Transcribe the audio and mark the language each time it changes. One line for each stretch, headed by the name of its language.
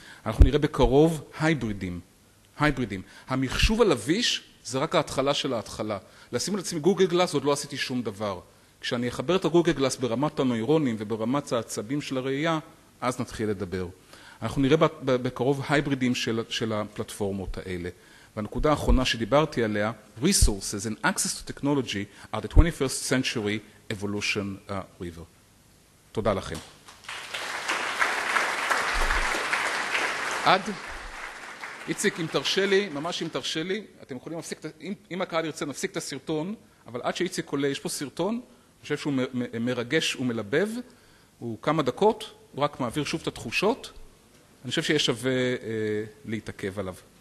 Hebrew: אנחנו נראה בקרוב הייברידים. המחשוב הלביש זה רק ההתחלה של ההתחלה. לשים על עצמי גוגל גלאס, עוד לא עשיתי שום דבר. כשאני אחבר את הגוגל גלאס ברמת הנוירונים וברמת העצבים של הראייה, אז נתחיל לדבר. אנחנו נראה בקרוב הייברידים של הפלטפורמות האלה. והנקודה האחרונה שדיברתי עליה,
English: resources and access to technology are the 21st century evolution river.
Hebrew: תודה לכם. עד, איציק, אם תרשה לי, ממש אם תרשה לי, אתם יכולים להפסיק, אם הקהל ירצה, נפסיק את הסרטון, אבל עד שאיציק עולה, יש פה סרטון, אני חושב שהוא מרגש ומלבב, הוא כמה דקות, הוא רק מעביר שוב את התחושות, אני חושב שיש שווה להתעכב עליו.